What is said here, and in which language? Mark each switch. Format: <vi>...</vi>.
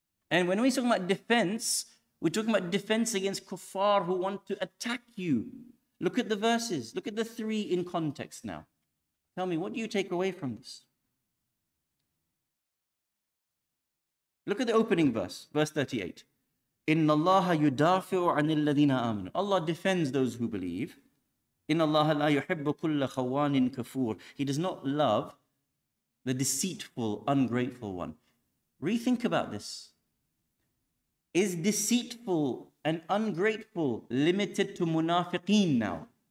<en>And when we're talking about defense, we're talking about defense against kuffar who want to attack you. Look at the verses. Look at the three in context now. Tell me, what do you take away from this? Look at the opening verse, verse 38.</en> <ar>إِنَّ اللَّهَ يُدَافِعُ عَنِ الَّذِينَ آمَنُوا</ar> <en>Allah defends those who believe.</en> <ar>إِنَّ اللَّهَ لَا يُحِبُّ كُلَّ خَوَانٍ كَفُورٍ</ar> <en>He does not love the deceitful, ungrateful one. Rethink about this. Is deceitful and ungrateful limited to munafiqeen now?</en>